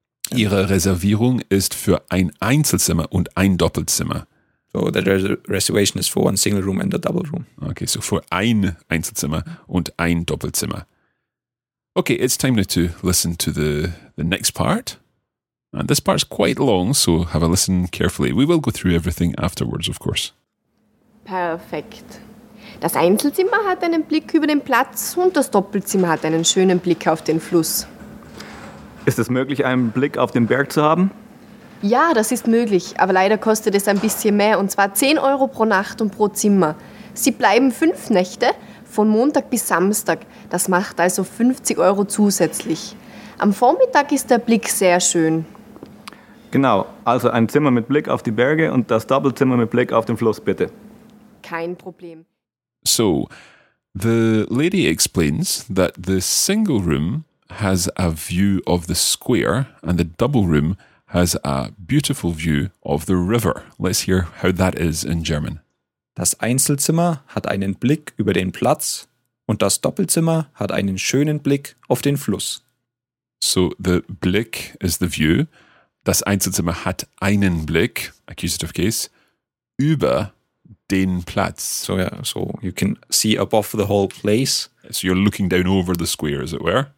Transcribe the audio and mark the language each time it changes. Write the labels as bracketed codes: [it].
[de] Ihre Reservierung ist für ein Einzelzimmer und ein Doppelzimmer. [en] So the reservation is for 1 single room and a double room. Okay, so for [de] ein Einzelzimmer und ein Doppelzimmer. [en] Okay, it's time now to listen to the next part. And this part's quite long, so have a listen carefully. We will go through everything afterwards, of course. [de] Perfekt. Das Einzelzimmer hat einen Blick über den Platz und das Doppelzimmer hat einen schönen Blick auf den Fluss. Ist es möglich, einen Blick auf den Berg zu haben? Ja, das ist möglich, aber leider kostet es ein bisschen mehr, und zwar 10 Euro pro Nacht und pro Zimmer. Sie bleiben 5 Nächte, von Montag bis Samstag. Das macht also 50 Euro zusätzlich. Am Vormittag ist der Blick sehr schön. Genau, also ein Zimmer mit Blick auf die Berge und das Doppelzimmer mit Blick auf den Fluss, bitte. Kein Problem. [en] So, the lady explains that the single room has a view of the square and the double room has a beautiful view of the river. Let's hear how that is in German. [de] Das Einzelzimmer hat einen Blick über den Platz und das Doppelzimmer hat einen schönen Blick auf den Fluss. [en] So the Blick is the view. [de] Das Einzelzimmer hat einen Blick, [en] accusative case, [de] über den Platz. [en] So yeah, so you can see above the whole place. So you're looking down over the square, as it were.